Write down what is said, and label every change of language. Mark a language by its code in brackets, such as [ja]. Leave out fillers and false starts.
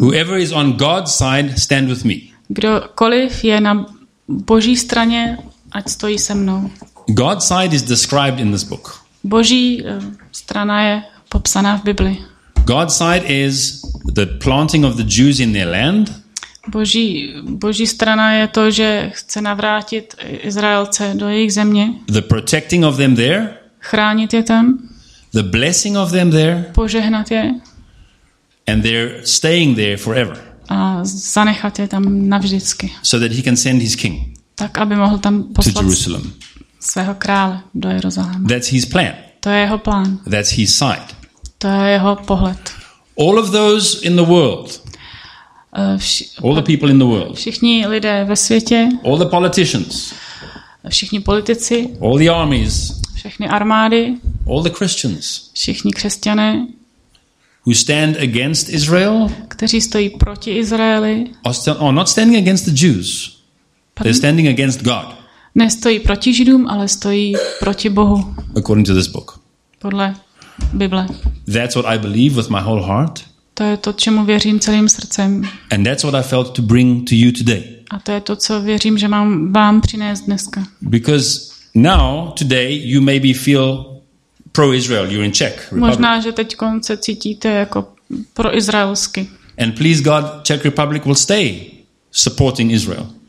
[en] Whoever is on God's side, stand with me. [cs] Kdokoliv je na Boží straně, ať stojí se mnou. [en] God's side is described in this book. [cs] Boží strana je popsaná v Bibli. [en] God's side is the planting of the Jews in their land. [cs] Boží strana je to, že chce navrátit Izraelce do jejich země. [en] The protecting of them there. [cs] Chránit je tam. [en] The blessing of them there. [cs] Požehnat je. [en] And they're staying there forever. [cs] A zanechat je tam navždycky. [en] So that he can send his king. [cs] Tak aby mohl tam poslat [en] to Jerusalem. [cs] Svého krále do Jeruzaléma. [en] That's his plan. [cs] To je jeho plán. [en] That's his sight. [cs] To je jeho pohled. [en] All of those in the world. All the people in the world. [cs] Všichni lidé ve světě. [en] All the politicians. [cs] Všichni politici. [en] All the armies. [cs] Všechny armády. [en] All the Christians. [cs] Všichni křesťané. [en] Who stand against Israel? [cs] Kteří stojí proti Izraeli. [en] Are not standing against the Jews. Pardon? They're standing against God. [cs] Nestojí proti Židům, ale stojí proti Bohu. [en] According to this book. [cs] Podle Bible. [en] That's what I believe with my whole heart. [cs] To je to, čemu věřím celým srdcem. [en] And that's what I felt to bring to you today. [cs] A to je to, co věřím, že mám vám přinést dneska. [en] Because now today you maybe feel pro Israel, you're in Czech Republic. [cs] Možná, že teď konce cítíte jako pro izraelsky. [en] And please God, Czech Republic will stay supporting Israel.